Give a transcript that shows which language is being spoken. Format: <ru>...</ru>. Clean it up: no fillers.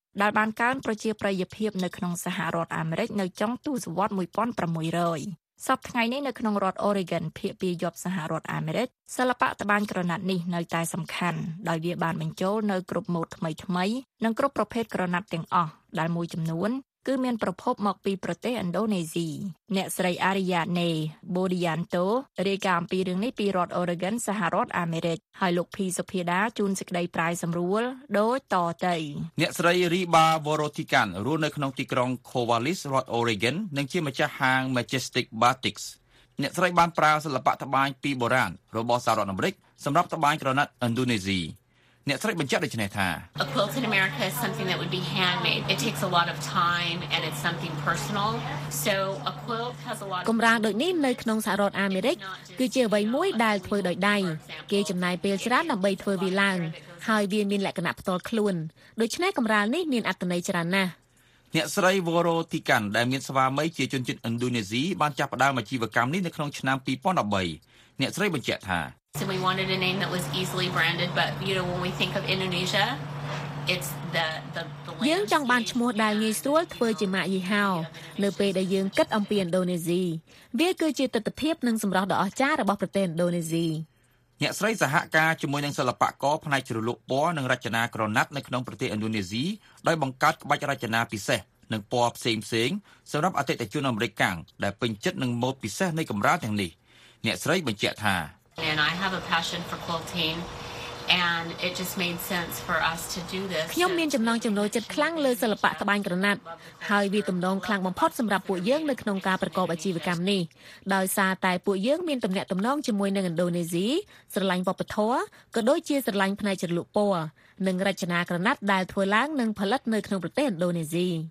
<km>ដែលបានកើនប្រជាប្រិយភាពនៅក្នុងសហរដ្ឋអាមេរិកនៅចុងទសវត្ស1600សប្តាហ៍នេះនៅក្នុងរដ្ឋ Oregon ភាគពាយ័ព្ទសហរដ្ឋអាមេរិកសិល្បៈត្បាញក្រណាត់នេះនៅតែសំខាន់ដោយវាបានបញ្ចូលនៅគ្រប់ម៉ូដថ្មីៗនិងគ្រប់ប្រភេទក្រណាត់ទាំងអស់ដែលមួយចំនួនគឺមានប្រភពមកពីប្រទេសឥណ្ឌូនេស៊ីអ្នកស្រីអារីយ៉ាណេបូឌីយ៉ាន់តូរាយការណ៍អំពីរឿងនេះពីរដ្ឋអូរ៉េហ្គិនសហរដ្ឋអាមេរិកហើយលោកភីសុភាដាជួនសេចក្តីប្រាយសម្រួលដូចតទៅ អ្នកស្រីរីបាវ៉ារ៉ូទីកាន់រស់នៅក្នុងទីក្រុងខូវ៉ាលីសរដ្ឋអូរ៉េហ្គិននិងជាម្ចាស់ហាង Majestic Batiks អ្នកស្រីបានប្រើសិល្បៈត្បាញពីបុរាណរបស់សហរដ្ឋអាមេរិកសម្រាប់ត្បាញក្រណាត់ឥណ្ឌូនេស៊ីអ្នកស្រីបញ្ជាក់ដូចនេះថា</km> <en>A quilt in America is something that would be handmade. It takes a lot of time and it's something personal. So a quilt has a lot</en> <km>កំរាលដូចនេះនៅក្នុងសហរដ្ឋអាមេរិកគឺជាអ្វីមួយដែលធ្វើដោយដៃគេចំណាយពេលច្រើនដើម្បីធ្វើវាឡើងហើយវាមានលក្ខណៈផ្ទាល់ខ្លួនដូច្នេះកំរាលនេះមានអត្ថន័យច្រើនណាស់អ្នកស្រីវ៉ារ៉ូទីកាន់ដែលមានស្វាមីជាជនជាតិឥណ្ឌូនេស៊ីបានចាប់ផ្ដើមអាជីវកម្មនេះនៅក្នុងឆ្នាំ2013អ្នកស្រីបញ្ជាក់ថា</km> <en>So we wanted a name that was easily branded, but you know, when we think of Indonesia, it's the</en> <km>យើងចង់បានឈ្មោះដែលងាយស្រួលធ្វើជាម៉ាកយីហោនៅពេលដែលយើងគិតអំពីឥណ្ឌូនេស៊ីវាគឺជាទិដ្ឋភាពនិងសម្រស់ដ៏អស្ចារ្យរបស់ប្រទេសឥណ្ឌូនេស៊ី អ្នកស្រីសហការជាមួយនឹងសិល្បករផ្នែកជ្រលក់ពណ៌និងរចនាក្រណាត់នៅក្នុងប្រទេសឥណ្ឌូនេស៊ីដោយបង្កើតក្បាច់រចនាពិសេសនិងពណ៌ផ្សេងៗសម្រាប់អតិថិជនអាមេរិកកាំងដែលពេញចិត្តនឹងម៉ូដពិសេសនៃកម្រាលទាំងនេះអ្នកស្រីបញ្ជាក់ថា</km> <en>And I have a passion for quilting and it just made sense for us to do this.</en> <km>ខ្ញុំមានចំណងចំណូលចិត្តខ្លាំងលើសិល្បៈត្បាញក្រណាត់ហើយវាទំនងខ្លាំងបំផុតសម្រាប់ពួកយើងនៅក្នុងការប្រកបអាជីវកម្មនេះដោយសារតែពួកយើងមានទំនាក់ទំនងជាមួយនឹងឥណ្ឌូនេស៊ីស្រឡាញ់វប្បធម៌ក៏ដូចជាស្រឡាញ់ផ្នែកជ្រលក់ពណ៌និងរចនាក្រណាត់ដែលធ្វើឡើងនិងផលិតនៅក្នុងប្រទេសឥណ្ឌូនេស៊ី</km>